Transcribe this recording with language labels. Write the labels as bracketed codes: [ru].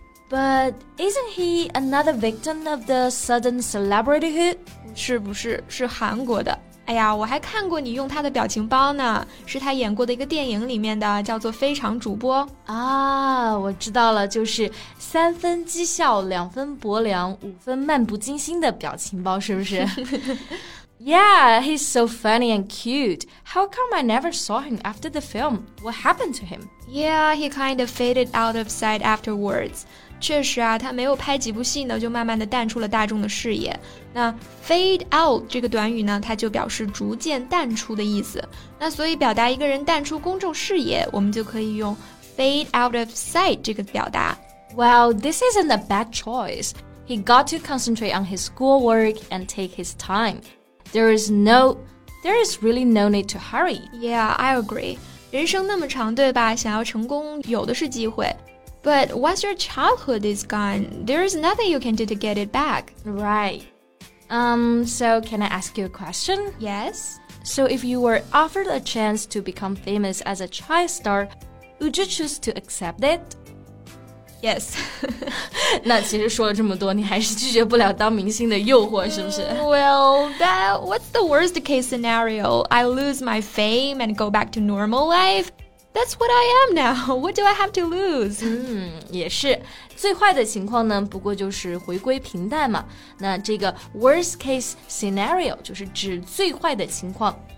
[en] But isn't he another victim of the sudden celebrityhood? [zh] 是不是，是韩国的。哎呀，我还看过你用他的表情包呢，是他演过的一个电影里面的，叫做《非常主播》 啊。我知道了，就是三分讥笑，两分薄凉，五分漫不经心的表情包，是不是？ [en] Yeah, he's so funny and cute. How come I never saw him after the film? What happened to him? Yeah, he kind of faded out of sight afterwards. [zh] 确实啊，他没有拍几部戏呢，就慢慢的淡出了大众的视野。那 fade out 这个短语呢，它就表示逐渐淡出的意思。那所以表达一个人淡出公众视野，我们就可以用 fade out of sight 这个表达。 [en] Well, this isn't a bad choice. He got to concentrate on his schoolwork and take his time. There is really no need to hurry. Yeah, I agree. [zh] 人生那么长，对吧？想要成功，有的是机会。 [en] But once your childhood is gone, there is nothing you can do to get it back. Right. So can I ask you a question? Yes. So if you were offered a chance to become famous as a child star, would you choose to accept it? Yes. [zh] 那其实说了这么多，你还是拒绝不了当明星的诱惑，是不是？ [en] Well, that, what's the worst case scenario? I lose my fame and go back to normal life? That's what I am now. What do I have to lose? [zh] 也是。最坏的情况呢，不过就是回归平淡嘛。那这个 worst case scenario 就是指最坏的情况。